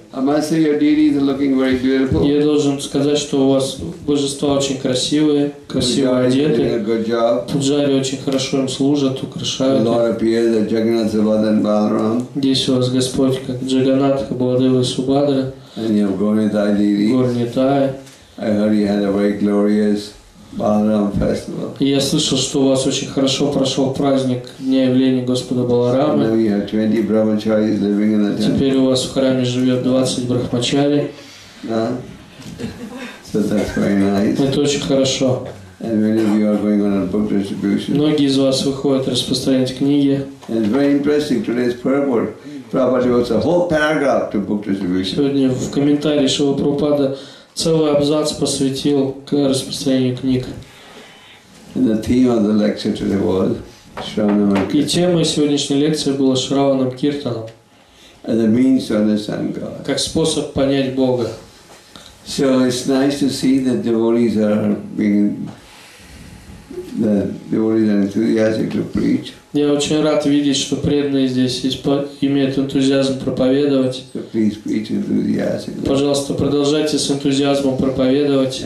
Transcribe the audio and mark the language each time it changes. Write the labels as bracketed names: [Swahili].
[English] I must say your deities are looking very beautiful. [Russian] Я должен сказать, что у вас божества очень красивые, красиво одеты. [English] Pujari doing a good job. [Russian] Pujari очень хорошо им служат, украшают. [English] The Lord appears as Jagannath Subhadra and Balaram. [Russian] Здесь у вас Господь как Джаганнат, как Баладева и Субхадра. [English] And you have Gornitai deities. Gornitai. I heard you had a very glorious Balaram festival. [Russian] И я слышал, что у вас очень хорошо прошел праздник Дня явления Господа Баларамы. [English] Now you have 20 brahmacharis living in the temple. [Russian] Теперь у вас в храме живет 20 брахмачари. [English] Да? So that's very nice. [Russian] Это очень хорошо. [English] And many of you are going on a book distribution. [Russian] Многие из вас выходят распространять книги. [English] It's very interesting today's purport. Prabhupada wrote a whole paragraph to book distribution. [Russian] Сегодня в комментарии Шрилы Прабхупада целый абзац посвятил к распространению книг. [English] And the theme of the lecture today was Shravanam Kirtanam. [Russian] И темой сегодняшней лекции было Шраванам Киртанам. [English] As a means to understand God. [Russian] Как способ понять Бога. [English] So it's nice to see that devotees are being enthusiastic to preach. [Russian] Я очень рад видеть, что преданные здесь имеют энтузиазм проповедовать. [English] So please preach enthusiastically. [Russian] Пожалуйста, продолжайте с энтузиазмом проповедовать.